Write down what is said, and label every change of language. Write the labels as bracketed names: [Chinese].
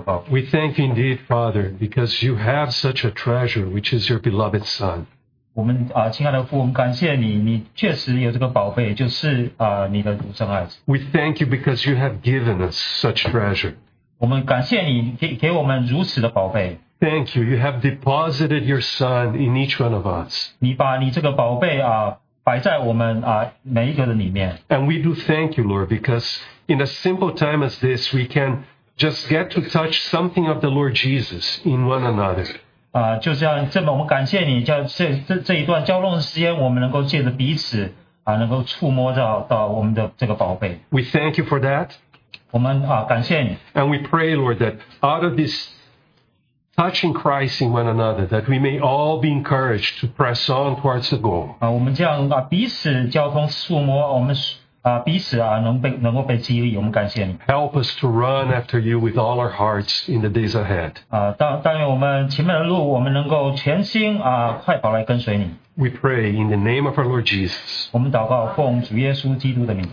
[English] We thank you indeed, Father, because you have such a treasure, which is your beloved Son. [Chinese] 我们亲爱的父，我们感谢你，你确实有这个宝贝，就是你的独生爱子。 [English] We thank you because you have given us such treasure. [Chinese] 我们感谢你给我们如此的宝贝。 [English] Thank you. You have deposited your Son in each one of us. [Chinese] 你把你这个宝贝摆在我们每一个的里面。 [English] And we do thank you, Lord, because in a simple time as this, we can. Just get to touch something of the Lord Jesus in one another. [Chinese] 就像这么，我们感谢你，这一段交通的时间，我们能够借着彼此能够触摸到我们的这个宝贝。 [English] We thank you for that. [Chinese] 我们感谢你。 [English] And we pray, Lord, that out of this touching Christ in one another, that we may all be encouraged to press on towards the goal. [Chinese] 我们这样彼此交通触摸，我们。彼此能够被激励，我们感谢你。 [English] Help us to run after you with all our hearts in the days ahead. [Chinese] 但愿我们前面的路，我们能够全心快跑来跟随你。 [English] We pray in the name of our Lord Jesus. [Chinese] 我们祷告奉主耶稣基督的名。